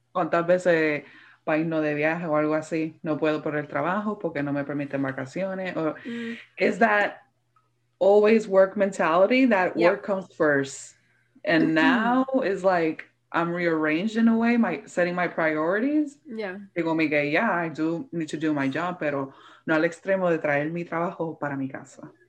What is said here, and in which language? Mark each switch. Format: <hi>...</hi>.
<es>¿Cuántas veces para irnos de viaje o algo así? No puedo por el trabajo porque no me permiten vacaciones.</es> <en>Or, is that always work mentality, that work comes first? And now is like I'm rearranged in a way, setting my priorities. Yeah.</en> <es>Digo, Miguel,</es> <en>I do need to do my job,</en> <es>pero no al extremo de traer mi trabajo para mi casa.</es>